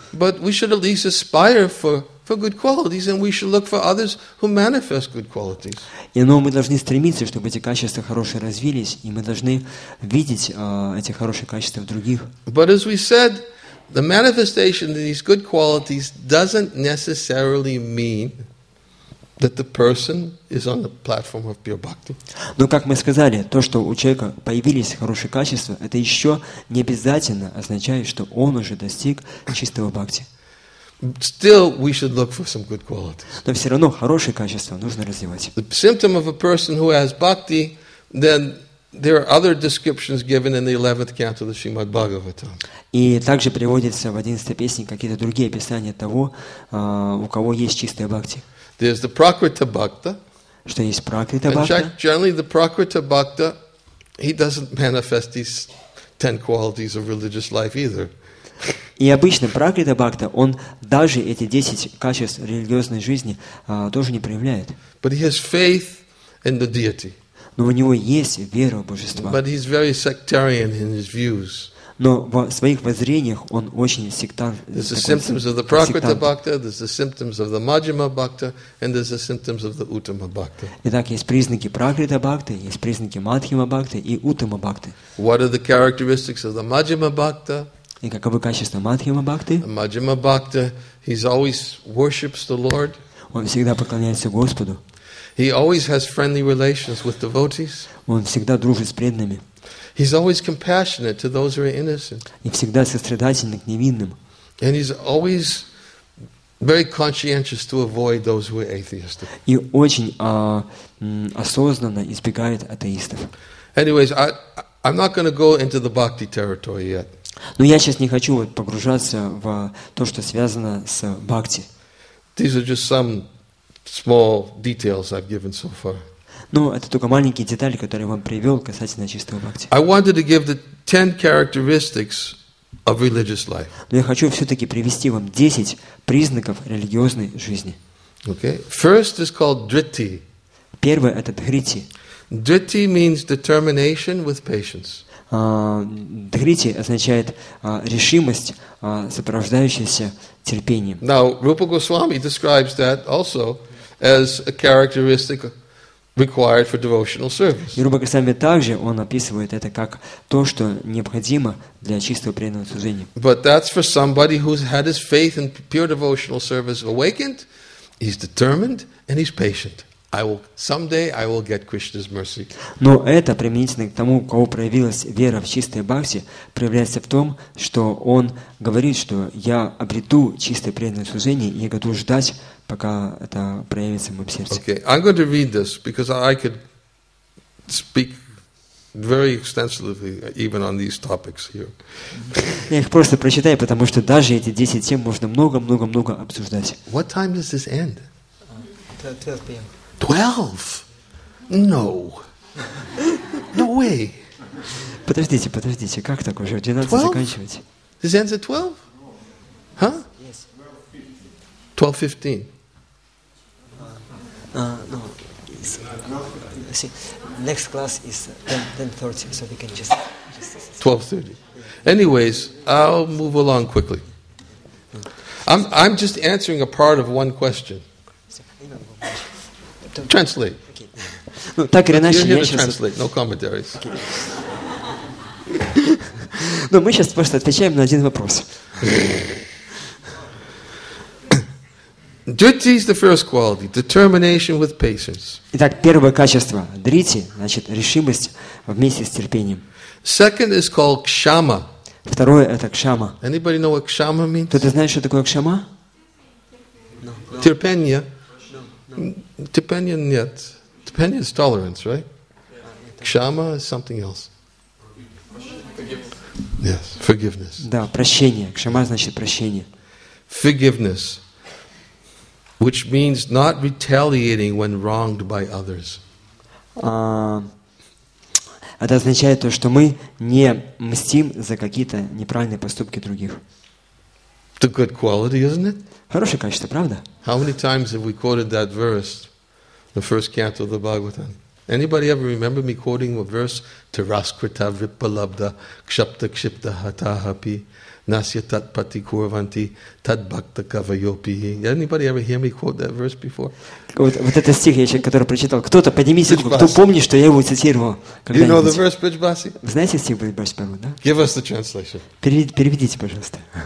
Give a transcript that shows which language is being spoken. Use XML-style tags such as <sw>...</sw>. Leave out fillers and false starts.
<en>But we should at least aspire for good qualities, and we should look for others who manifest good qualities.</en> <ru>И но мы должны стремиться, чтобы эти качества хорошие развились, и мы должны видеть эти хорошие качества в других.</ru> <en>But as we said, the manifestation of these good qualities doesn't necessarily mean that the person is on the platform of pure bhakti.</en> <ru>Но как мы сказали, то, что у человека появились хорошие качества, это еще не обязательно означает, что он уже достиг чистого бхакти.</ru> <en>Still, we should look for some good qualities.</en> <ru>Но все равно хорошие качества нужно развивать.</ru> <en>The symptom of a person who has bhakti, then there are other descriptions given in the 11th canto of the Srimad Bhagavatam.</en> <ru>И также приводится в 11-й песне какие-то другие описания того, у кого есть чистая бхакти.</ru> <en>There's the prakrita bhakta.</en> <ru>Что есть prakrita bhakta?</ru> <en>And generally, the prakrita bhakta, he doesn't manifest these 10 qualities of religious life either.</en> <ru>И обычно prakrita bhakta, он даже эти 10 качеств религиозной жизни тоже не проявляет.</ru> <en>But he has faith in the deity.</en> <ru>Но у него есть вера в божество.</ru> <en>But he's very sectarian in his views.</en> <ru>Но в своих воззрениях он очень сектант.</ru> <en>There's the symptoms of the prakrita bhakta, there's the symptoms of the majjhima bhakta, and there's the symptoms of the uttama bhakta.</en> <ru>Итак, есть признаки prakrita bhakta, есть признаки madhyama bhakta и uttama bhakta.</ru> <en>What are the characteristics of the majjhima bhakta?</en> <ru>И каковы качества madhyama bhakta?</ru> <en>The majjhima bhakta, he always worships the Lord.</en> <ru>Он всегда поклоняется Господу.</ru> <en>He always has friendly relations with devotees.</en> <ru>Он всегда дружит с преданными.</ru> <en>He's always compassionate to those who are innocent.</en> <ru>И всегда сострадательный к невинным.</ru> <en>And he's always very conscientious to avoid those who are atheistic.</en> <ru>И очень осознанно избегает атеистов.</ru> <en>Anyways, I'm not going to go into the bhakti territory yet.</en> <ru>Но я сейчас не хочу погружаться в то, что связано с бхакти.</ru> <en>These are just some small details I've given so far.</en> <ru>Но это только маленькие детали, которые я вам привел касательно чистого бхакти.</ru> <en>I wanted to give the 10 characteristics of religious life.</en> <ru>Но я хочу все-таки привести вам 10 признаков религиозной жизни.</ru> <en>Okay. First is called dritti.</en> <ru>Первое это дхритти.</ru> <en>Dritti means determination with patience.</en> <ru>Дхрити означает решимость, сопровождающаяся терпением.</ru> <en>Now, Rupa Goswami describes that also as a characteristic required for devotional service.</en> <ru>И Рупа Госвами также он описывает это как то, что необходимо для чистого преданного служения.</ru> <en>But that's for somebody who's had his faith in pure devotional service awakened. He's determined and he's patient. Someday I will get Krishna's mercy.</en> <ru>Но это применительно к тому, у кого проявилась вера в чистой бхакти, проявляется в том, что он говорит, что я обрету чистое преданное служение, и я готов ждать, пока это проявится в моем сердце.</ru> <en>Okay, I'm going to read this because I could speak very extensively even on these topics here.</en> <ru>Я их просто прочитаю, потому что даже эти 10 тем можно много обсуждать.</ru> <en>What time does this end? 12 p.m. 12? No. No way.</en> <ru>Подождите, как так уже 12 заканчивать?</ru> <en>This ends at 12? Huh? Yes. 12:15. No. See, next class is 10:30, so we can just 12:30. Anyways, I'll move along quickly. I'm just answering a part of one question. Translate.</en> <ru>Ну, так или иначе,</ru> <en>you're here to translate, no commentaries. Okay.</en> <ru>Ну, мы сейчас просто отвечаем на один вопрос.</ru> <en>Dhriti is the first quality, determination with patience.</en> <ru>Итак, первое качество дрити, значит, решимость вместе с терпением.</ru> <en>Second is called kshama.</en> <ru>Второе это кшама.</ru> <en>Anybody know what kshama means?</en> <ru>Кто-то знает, что такое кшама? Терпение. Tipenyan, yet.</ru> <en>Tipenyan is tolerance, right? Kshama is something else. Forgiveness. Yes, forgiveness.</en> <ru>Да, прощение. Кшама значит прощение.</ru> <en>Forgiveness, which means not retaliating when wronged by others.</en> <ru>Это означает то, что мы не мстим за какие-то неправильные поступки других.</ru> <en>It's a good quality, isn't it?</en> <ru>Хорошее качество, правда?</ru> <en>How many times have we quoted that verse? The first canto of the Bhagavatam. Anybody ever remember me quoting a verse?</en> <sa>Taraskrita vipalabda kshapta kshipta hatahapi nasya tat pati kurvanti tad bhakta kavayopi.</sa> <en>Anybody ever hear me quote that verse before?</en> <ru>Вот этот стих, я сейчас, который прочитал. Кто-то подними руку, кто помнит, что я его цитировал.</ru> <en>You know the verse, Bridgebasi?</en> <ru>Знаете стих Bridgebasi, да?</ru> <en>Give us the translation.</en> <ru>Переведите, пожалуйста.</ru>